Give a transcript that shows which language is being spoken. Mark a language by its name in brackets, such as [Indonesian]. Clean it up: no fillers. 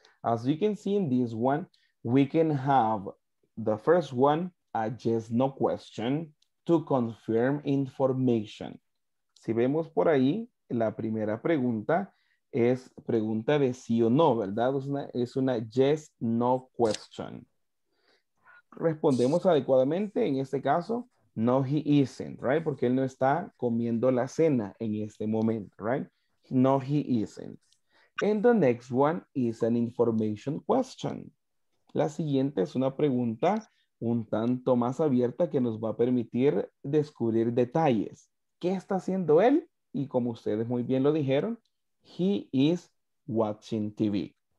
[English] As you can see in this one, we can have the first one, a yes, no question to confirm information. [Spanish] Si vemos por ahí, la primera pregunta es pregunta de sí o no, ¿verdad? Es una yes, no question. Respondemos adecuadamente, en este caso, [English] no, he isn't, right? [Spanish] Porque él no está comiendo la cena en este momento, [English] right? No, he isn't. And the next one is an information question. [Spanish] La siguiente es una pregunta un tanto más abierta que nos va a permitir descubrir detalles. ¿Qué está haciendo él? Y como ustedes muy bien lo dijeron, [English] he is watching TV.